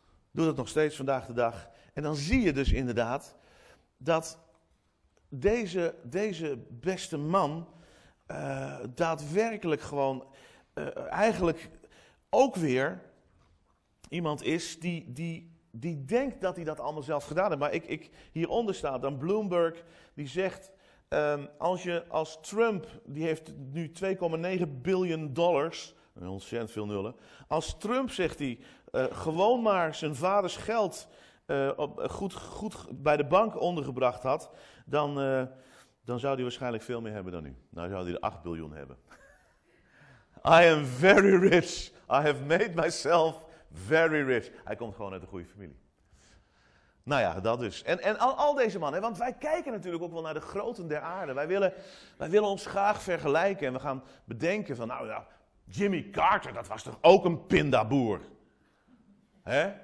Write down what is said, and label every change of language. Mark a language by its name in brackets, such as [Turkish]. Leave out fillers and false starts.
[Dutch] Doet dat nog steeds vandaag de dag. En dan zie je dus inderdaad dat deze beste man daadwerkelijk gewoon eigenlijk ook weer iemand is die denkt dat hij dat allemaal zelf gedaan heeft. Maar ik hieronder staat dan Bloomberg, die zegt, als Trump, die heeft nu $2.9 billion, ontzettend veel nullen. Als Trump, zegt hij, gewoon maar zijn vaders geld goed bij de bank ondergebracht had, dan zou hij waarschijnlijk veel meer hebben dan nu. Nou zou hij er 8 biljoen hebben. [English] I am very rich. I have made myself very rich. [Dutch] Hij komt gewoon uit een goede familie. Nou ja, dat dus. En al deze mannen, want wij kijken natuurlijk ook wel naar de groten der aarde. Wij willen ons graag vergelijken en we gaan bedenken van, nou ja, Jimmy Carter, dat was toch ook een pindaboer. Hè?